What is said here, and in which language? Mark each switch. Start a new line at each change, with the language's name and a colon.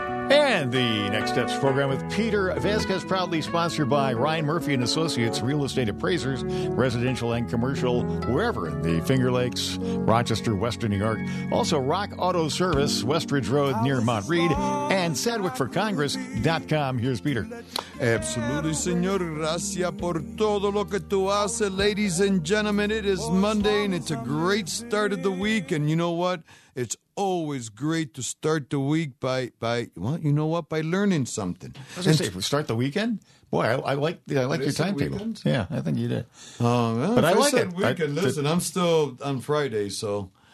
English: And the Next Steps program with Peter Vasquez, proudly sponsored by Ryan Murphy and Associates, real estate appraisers, residential and commercial, wherever in the Finger Lakes, Rochester, Western New York. Also, Rock Auto Service, Westridge Road near Mount Reed, and SedgwickForCongress.com. Here's Peter.
Spanish: Absolutely, señor. Gracias por todo lo que tú haces.
English: Ladies and gentlemen, it is Monday, and it's a great start of the week. And you know what? It's always great to start the week by learning something. I was going to say, if we start the weekend? Boy, I like your timetable. Yeah, I think you did. I'm still on Friday, so.